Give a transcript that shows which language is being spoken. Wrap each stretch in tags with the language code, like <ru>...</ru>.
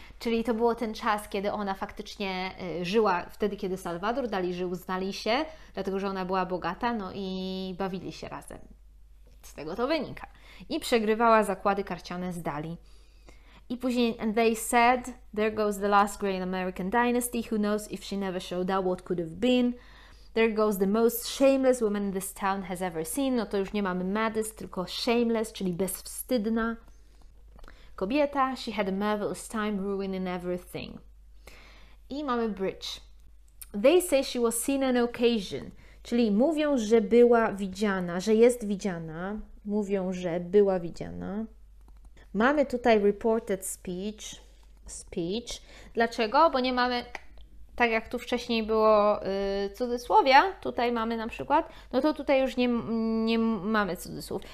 <pl>Czyli to było ten czas, kiedy ona faktycznie żyła, wtedy kiedy Salwador Dali żył, znali się, dlatego że ona była bogata, no i bawili się razem. Z tego to wynika. I przegrywała zakłady karciane z Dali. I później,</pl> <en>and they said, there goes the last great American dynasty, who knows if she never showed up what could have been. There goes the most shameless woman this town has ever seen.</en> <pl>No to już nie mamy Madis, tylko shameless, czyli bezwstydna kobieta. She had a marvelous time ruining everything. I mamy bridge.</pl> <en>They say she was seen on occasion.</en> <pl>Czyli mówią, że była widziana, że jest widziana. Mówią, że była widziana. Mamy tutaj reported speech. Speech. Dlaczego? Bo nie mamy, tak jak tu wcześniej było cudzysłowia, tutaj mamy na przykład, no to tutaj już nie mamy cudzysłów.</pl>